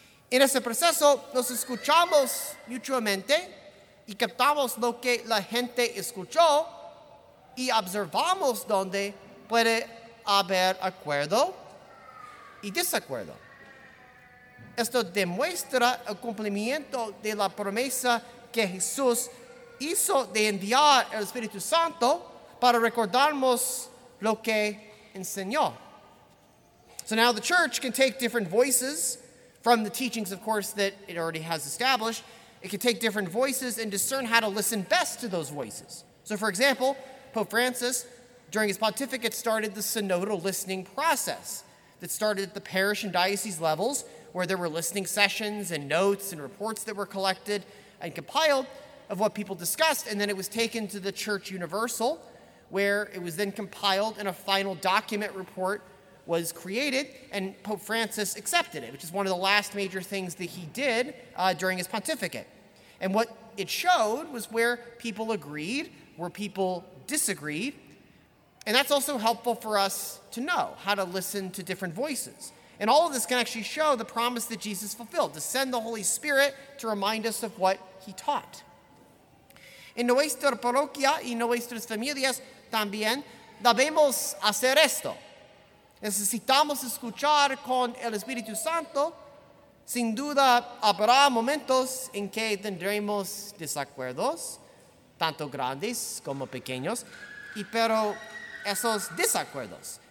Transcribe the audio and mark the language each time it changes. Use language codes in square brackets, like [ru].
[es] En ese proceso nos escuchamos mutuamente y captamos lo que la gente escuchó y observamos donde puede haber acuerdo y desacuerdo. Esto demuestra el cumplimiento de la promesa que Jesús hizo de enviar el Espíritu Santo para recordarnos lo que enseñó. [en] So now the church can take different voices from the teachings, of course, that it already has established. It can take different voices and discern how to listen best to those voices. So for example, Pope Francis, during his pontificate, started the synodal listening process that started at the parish and diocese levels, where there were listening sessions and notes and reports that were collected and compiled of what people discussed, and then it was taken to the Church Universal, where it was then compiled and a final document report was created, and Pope Francis accepted it, which is one of the last major things that he did during his pontificate. And what it showed was where people agreed, where people disagreed, and that's also helpful for us to know how to listen to different voices. And all of this can actually show the promise that Jesus fulfilled, to send the Holy Spirit to remind us of what he taught. [es] En nuestra parroquia y nuestras familias también debemos hacer esto. Necesitamos escuchar con el Espíritu Santo. Sin duda habrá momentos en que tendremos desacuerdos, tanto grandes como pequeños, pero esos desacuerdos.